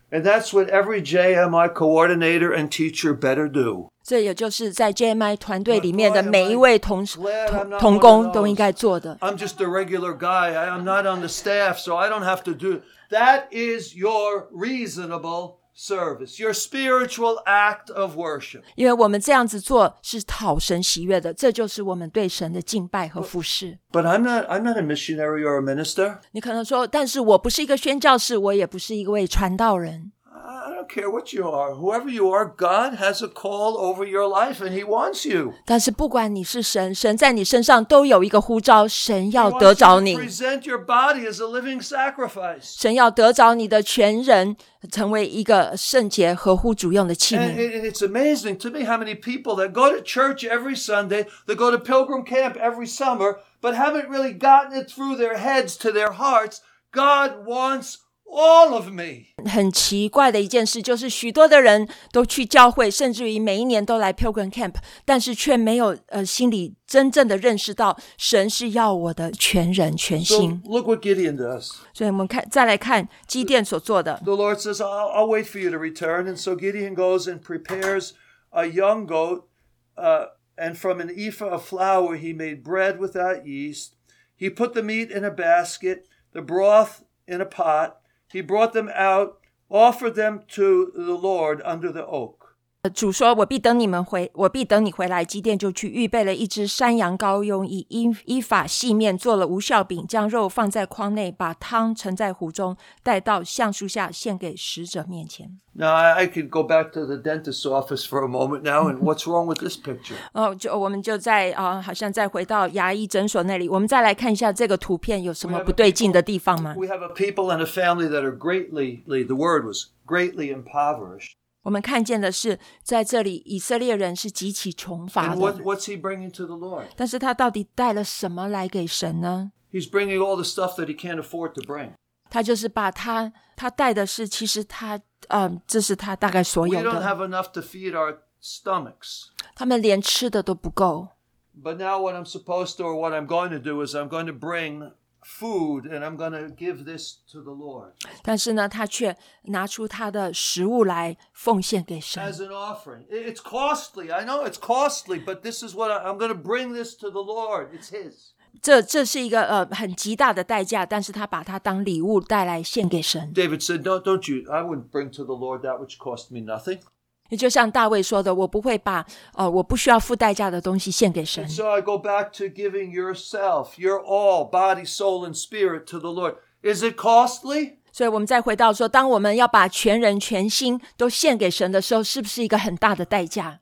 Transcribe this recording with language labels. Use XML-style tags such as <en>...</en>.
<en>And that's what every JMI coordinator and teacher better do.</en> <zh>这也就是在 JMI 团队里面的每一位同工都应该做的。</zh> <en>I'm just a regular guy. I'm not on the staff, so I don't have to do. That is your reasonable service, your spiritual act of worship.</en> <zh>因为我们这样子做是讨神喜悦的，这就是我们对神的敬拜和服事。</zh> <en>But I'm not a missionary or a minister.</en> <zh>你可能说，但是我不是一个宣教士，我也不是一位传道人。</zh> <en>I don't don't care what you are. Whoever you are, God has a call over your life and he wants you.</en> <zh>但是不管你是神，神在你身上都有一个呼召，神要得着你。</zh> <en>He wants to present your body as a living sacrifice.</en> <zh>神要得着你的全人，成为一个圣洁合乎主用的器皿。</zh> <en>And it's amazing to me how many people that go to church every Sunday, that go to pilgrim camp every summer, but haven't really gotten it through their heads to their hearts. God wants all of me.</en> <zh>很奇怪的一件事就是许多的人都去教会，甚至于每一年都来 pilgrim camp, 但是却没有心里真正的认识到神是要我的全人全心。</zh> <en>So, look what Gideon does.</en> <zh>所以我们看，再来看基甸所做的。</zh> <en>The Lord says, I'll wait for you to return. And so Gideon goes and prepares a young goat, and from an ephah of flour, he made bread without yeast. He put the meat in a basket, the broth in a pot. He brought them out, offered them to the Lord under the oak.</en> <zh>主说，我必等你回来。基甸就去预备了一只山羊羔，用以依法细面做了无酵饼，将肉放在筐内，把汤盛在壶中，带到橡树下献给使者面前。</zh> <en>Now I could go back to the dentist's office for a moment now, and what's wrong with this picture?</en> <zh>我们就在好像再回到牙医诊所那里，我们再来看一下这个图片有什么不对劲的地方吗？</zh> <en>We have a people and a family that are greatly, the word was greatly impoverished.</en> <zh>我们看见的是在这里以色列人是极其穷乏的。</zh> <en>And what's he bringing to the Lord?</en> <zh>但是他到底带了什么来给神呢？</zh> <en>He's bringing all the stuff that he can't afford to bring.</en> <zh>他就是把他带的是其实他这是他大概所有的。</zh> <en>We don't have enough to feed our stomachs.</en> <zh>他们连吃的都不够。</zh> <en>But now what I'm supposed to or what I'm going to do is I'm going to bring food and I'm going to give this to the Lord.</en> <zh>但是呢他却拿出他的食物来奉献给神。</zh> <en>As an offering. It's costly. I know it's costly, but this is what I'm going to bring this to the Lord. It's his.</en> <zh>这是一个很极大的代价，但是他把它当礼物带来献给神。</zh> <en>David said, "Don't you? I wouldn't bring to the Lord that which cost me nothing."</en> <zh>就像大卫说的，我不会把我不需要付代价的东西献给神。</zh> <en>And so I go back to giving yourself, your all, body, soul, and spirit to the Lord. Is it costly?</en> <zh>所以我们再回到说，当我们要把全人全心都献给神的时候，是不是一个很大的代价？</zh>